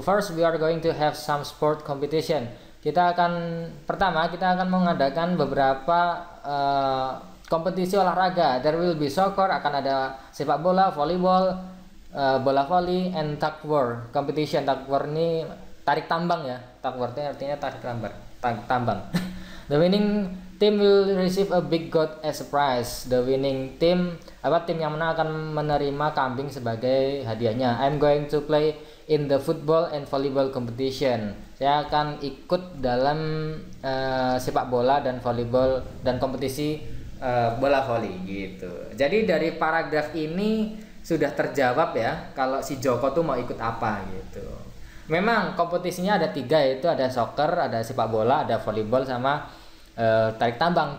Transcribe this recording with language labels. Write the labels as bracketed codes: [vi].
[en] First, we are going to have some sport competition. [id] Kita akan pertama kita akan mengadakan beberapa kompetisi olahraga. [en] There will be soccer, akan ada sepak bola, volleyball, bola voli, and tug war competition. [id] Tug war ini tarik tambang ya. Tug war artinya tarik tambang. [en] The winning team will receive a big goat as a prize. [id] The winning team, apa tim yang menang akan menerima kambing sebagai hadiahnya. [en] I'm going to play in the football and volleyball competition. [id] Saya akan ikut dalam sepak bola dan volleyball dan kompetisi bola voli gitu. Jadi dari paragraf ini sudah terjawab ya kalau si Joko tuh mau ikut apa gitu. Memang kompetisinya ada tiga, yaitu ada soccer, ada sepak bola, ada volleyball sama tarik tambang.